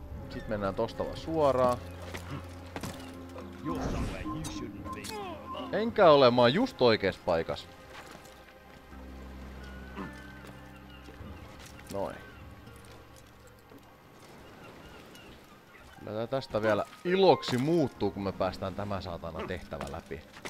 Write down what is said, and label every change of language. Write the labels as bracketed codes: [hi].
[fi] Sit mennään tosta vaan suoraan. [en] You're somewhere you shouldn't be. [fi] Enkä ole, mä oon just oikees paikas. Noin. Kyllä tästä vielä iloksi muuttuu, kun me päästään tämä saatana tehtävä läpi.